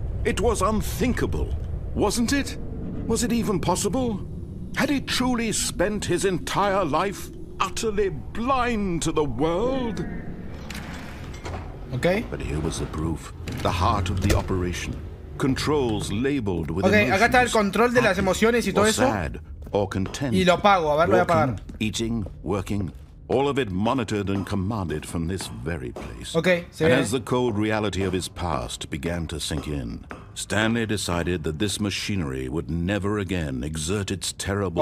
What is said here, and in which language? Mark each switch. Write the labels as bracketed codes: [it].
[en] It was unthinkable, wasn't it? Was it even possible? Had he truly spent his entire life utterly blind to the world? Okay. But here was the proof, the heart of the operation. Controls labeled with okay, emotions. [es] Acá está el control de las emociones y todo eso. [en] Sad or content. [es] Y lo apago, a ver, lo voy a apagar. [en] Eating, working, all of it monitored and commanded from this very place. Okay, and as the cold reality of his past began to sink in, Stanley decided that this machinery would never again exert its terrible.